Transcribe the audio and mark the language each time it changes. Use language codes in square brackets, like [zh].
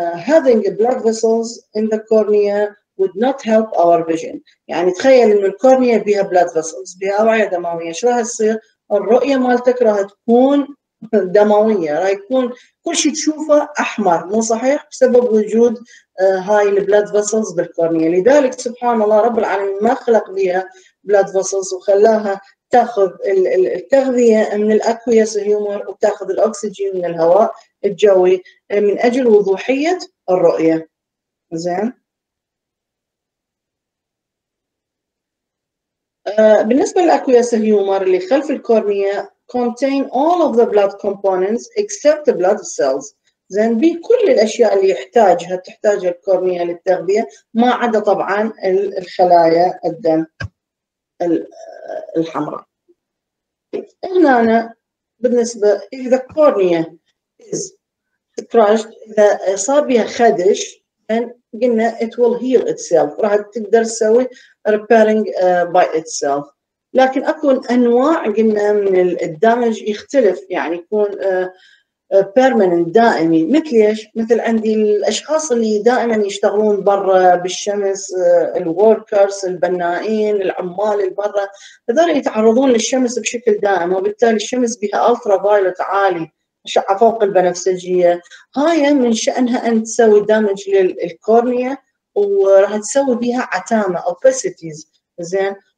[en] having blood vessels in the cornea would not help our vision. [ar] يعني تخيل إنه الكورنيا بيها [en] blood vessels [ar] بيها أوعية دموية. شو راح يصير؟ الرؤية مالتك راح تكون دموية. راح يكون كل شيء تشوفه أحمر. مو صحيح بسبب وجود هاي [en] blood vessels [ar] بالكورنيا. لذلك سبحان الله رب العالمين ما خلق ليها [en] blood vessels [ar] وخلاها تأخذ التغذية من الأكويس هيومر وتأخذ الأكسجين من الهواء الجوي من أجل وضوحية الرؤية. زين. بالنسبة للأكويس هيومر اللي خلف الكورنيا [en] contain all of the blood components except the blood cells. [ar] زين بي كل الأشياء اللي يحتاجها تحتاجها الكورنيا للتغذية ما عدا طبعا الخلايا الدم الحمراء. هنا أنا بالنسبة [en] if the cornea is crushed [ar] إذا صار بها خدش [en] then قلنا it will heal itself [ar] راح تقدر تسوي [en] repairing by itself. [ar] لكن أكو أنواع قلنا من الدمج يختلف يعني يكون permanent دائمي مثل إيش؟ مثل عندي الأشخاص اللي دائما يشتغلون برا بالشمس الworkers البنائين العمال البرا هذول يتعرضون للشمس بشكل دائم وبالتالي الشمس بها ultraviolet عالي أشعة فوق البنفسجية هاي من شأنها أن تسوي دامج للكورنيا وراح تسوي بها عتامة opacities زين